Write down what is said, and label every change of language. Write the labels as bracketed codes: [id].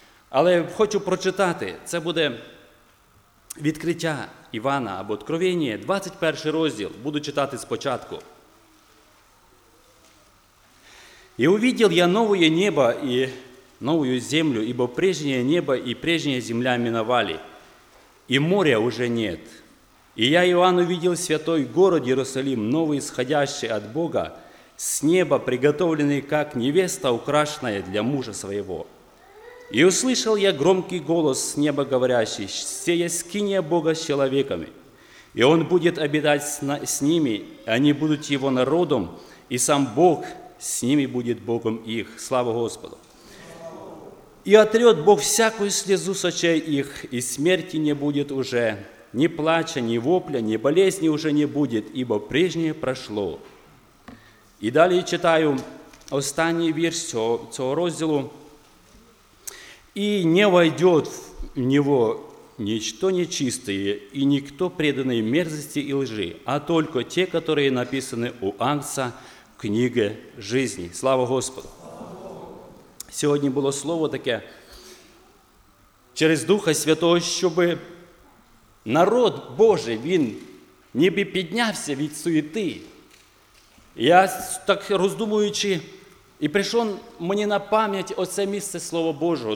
[uk] Але хочу прочитати, це буде відкриття Івана або Откровення, 21 розділ, буду читати спочатку. «І увидел я нове небо і нову землю, ібо прежнє небо і прежня земля минували, і моря [ru] уже нет. И я, Иоанн, увидел святой город Иерусалим, новый, исходящий от Бога, с неба, приготовленный, как невеста, украшенная для мужа своего. И услышал я громкий голос с неба, говорящий, «Се я скиния Бога с человеками, и Он будет обитать с ними, и они будут Его народом, и Сам Бог с ними будет Богом их». Слава Господу! «И отрет Бог всякую слезу с очей их, и смерти не будет уже». Ни плача, ни вопля, ни болезни уже не будет, ибо прежнее прошло. И далее читаю [uk] останній вірш цього розділу. [ru] И не войдет в него ничто нечистое, и никто преданный мерзости и лжи, а только те, которые написаны у Агнца в книге жизни. Слава Господу! [uk] Сьогодні було слово таке через Духа Святого, щоби народ Божий, він ніби піднявся від суєти. Я так роздумуючи, і прийшло мені на пам'ять оце місце Слова Божого.